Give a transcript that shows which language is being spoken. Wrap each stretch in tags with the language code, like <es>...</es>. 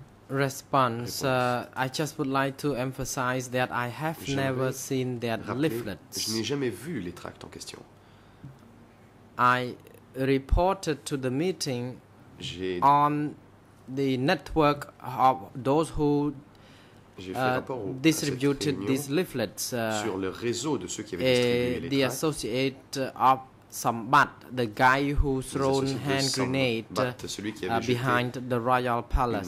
<en>Response, I just would like to emphasize that I have never seen that leaflet.</en> <fr>Je n'ai jamais vu les tracts en question.</fr> <en>I reported to the meeting</en> <fr>j'ai</fr> <en>on the network of those who distributed these leaflets</en> <fr>sur le réseau de ceux qui avaient distribué les tracts.</fr> <en>The associate of Sambat, the guy who thrown hand grenade behind the royal palace.</en>